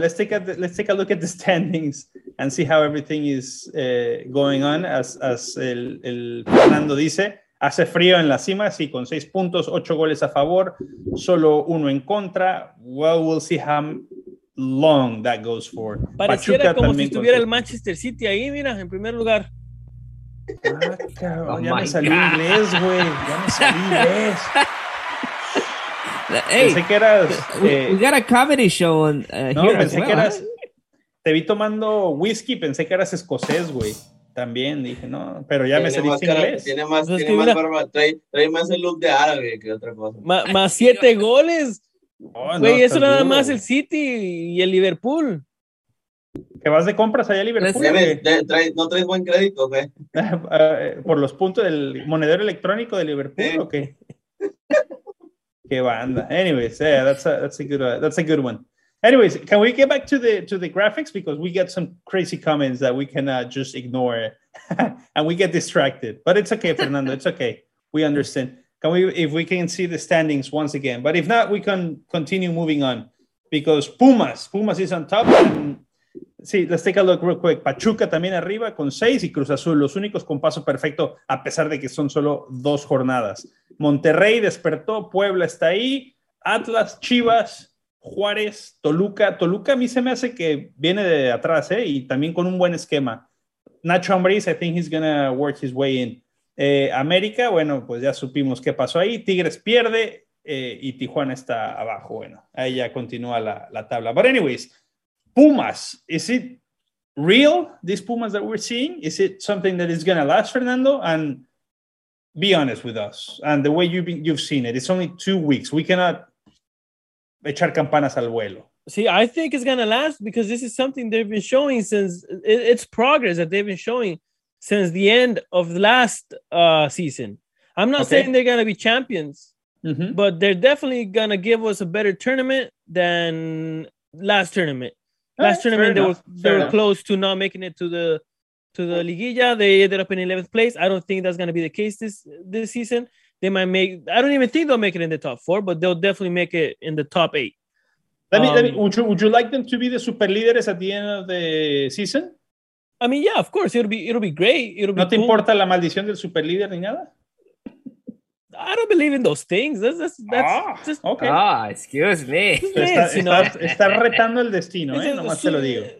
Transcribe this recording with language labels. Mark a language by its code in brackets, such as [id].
[en] Let's take a look at the standings and see how everything is going on. [es] As el Fernando dice, hace frío en la cima, sí, con 6 puntos, 8 goles a favor, solo 1 en contra. [en] Well, we'll see how long that goes for. [es] Pareciera Pachuca como también si estuviera el Manchester City ahí, mira, en primer lugar. Ah, cabrón, ya me salió inglés. [en] Hey, [es] pensé que eras, [en] we got a comedy show on here. [es] Pensé [en] well, [es] que eras, te vi tomando whisky, pensé que eras escocés, güey. También dije, no, pero ya me sé inglés. Tiene más barba, trae más el look de árabe que otra cosa. Más 7 goles. Güey, oh, no, eso nada duro, más wey. El City y el Liverpool. ¿Qué vas de compras allá a Liverpool? Sí, no traes buen crédito, güey. ¿Por los puntos del monedero electrónico de Liverpool o qué? Qué banda. [en] Anyways, yeah, that's a good one. Anyways, can we get back to the graphics, because we get some crazy comments that we cannot just ignore and we get distracted. But it's okay, Fernando. It's okay. We understand. If we can see the standings once again. But if not, we can continue moving on, because Pumas is on top. And, sí, let's take a look real quick. [es] Pachuca también arriba con 6 y Cruz Azul, los únicos con paso perfecto, a pesar de que son solo 2 jornadas. Monterrey despertó, Puebla está ahí, Atlas, Chivas, Juárez, Toluca. Toluca a mí se me hace que viene de atrás, y también con un buen esquema. [en] Nacho Ambriz, I think he's gonna work his way in. [es] América, bueno, pues ya supimos qué pasó ahí. Tigres pierde y Tijuana está abajo. Bueno, ahí ya continúa la tabla. [en] But anyways, Pumas, is it real, these Pumas that we're seeing? Is it something that is going to last, Fernando? And be honest with us. And the way you've seen it, it's only 2 weeks. We cannot [es] echar campanas al vuelo. [en] See, I think it's going to last because this is something they've been showing since, it's progress that they've been showing since the end of last season. I'm not saying they're going to be champions, but they're definitely going to give us a better tournament than last tournament. Last tournament, they were close to not making it to the Liguilla. They ended up in 11th place. I don't think that's going to be the case this season. They might make, I don't even think they'll make it in the top 4, but they'll definitely make it in the top 8. Would you like them to be the super leaders at the end of the season? I mean, yeah, of course. It'll be great. It'll be cool. [es] Importa la maldición del super líder ni nada? [en] I don't believe in those things. That's just okay. Excuse me. [es] Está retando el destino, nomás te lo digo.